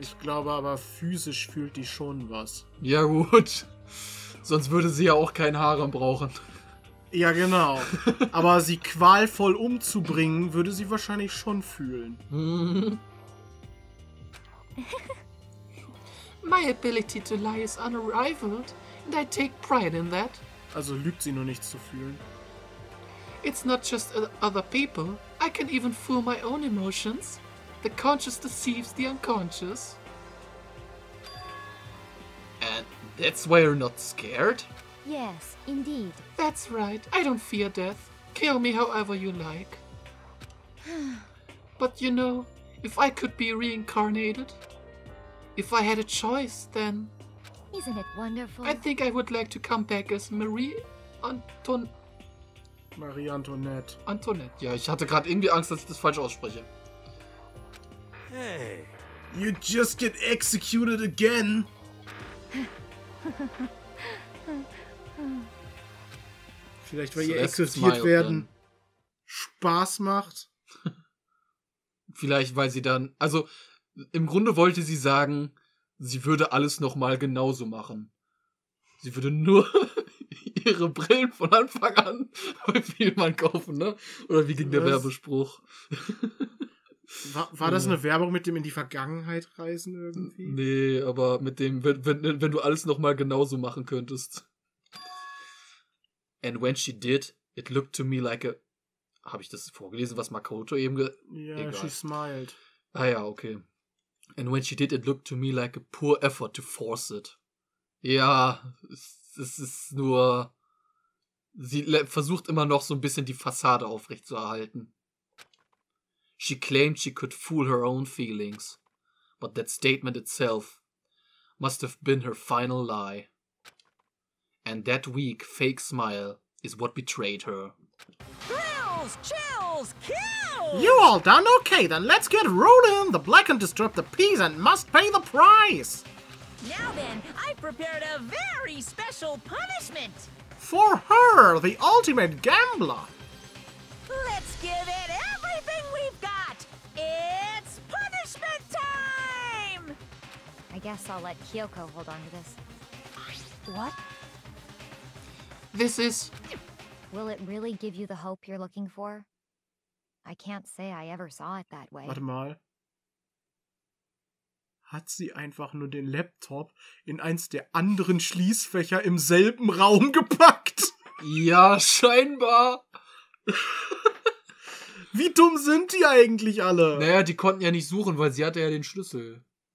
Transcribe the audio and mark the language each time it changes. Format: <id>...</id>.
<de>Ich glaube aber, physisch fühlt die schon was. Ja gut. Sonst würde sie ja auch kein Harem brauchen. Ja genau. Aber sie qualvoll umzubringen, würde sie wahrscheinlich schon fühlen.</de> <en>My ability to lie is unrivaled and I take pride in that.</en> <de>Also lügt sie nur nicht zu fühlen.</de> <en>It's not just other people. I can even fool my own emotions. The conscious deceives the unconscious. And that's why you're not scared? Yes, indeed. That's right. I don't fear death. Kill me however you like. But you know, if I could be reincarnated, if I had a choice, then... Isn't it wonderful? I think I would like to come back as Marie Antoinette. Antoinette.</en> <de>Ja, ich hatte gerade irgendwie Angst, dass ich das falsch ausspreche.</de> <en>Hey, you just get executed again.</en> <de>Vielleicht, weil ihr exekutiert werden Spaß macht. Vielleicht, weil sie dann... Also, im Grunde wollte sie sagen, sie würde alles nochmal genauso machen. Sie würde nur ihre Brillen von Anfang an bei Vielmann kaufen, ne? Oder wie ging der Werbespruch? War das eine Werbung mit dem in die Vergangenheit reisen irgendwie? Nee, aber mit dem, wenn du alles nochmal genauso machen könntest.</de> <en>And when she did, it looked to me like a...</en> <de>Habe ich das vorgelesen, was Makoto eben...</de> <en>She smiled.</en> <de>Ah ja, okay.</de> <en>And when she did, it looked to me like a poor effort to force it.</en> <de>Ja, es ist nur... Sie versucht immer noch so ein bisschen die Fassade aufrechtzuerhalten.</de> <en>She claimed she could fool her own feelings. But that statement itself must have been her final lie. And that weak, fake smile is what betrayed her. Thrills, chills, kills! You all done? Okay, then let's get rolling! The Black and Disrupt the Peace and must pay the price! Now then, I've prepared a very special punishment! For her, the ultimate gambler! Let's give it everything we've got! It's punishment time! I guess I'll let Kyoko hold on to this. What? This is... Will it really give you the hope you're looking for? I can't say I ever saw it that way.</en> <de>Warte mal. Hat sie einfach nur den Laptop in eins der anderen Schließfächer im selben Raum gepackt? Ja, scheinbar. Wie dumm sind die eigentlich alle? Naja, die konnten ja nicht suchen, weil sie hatte ja den Schlüssel.</de>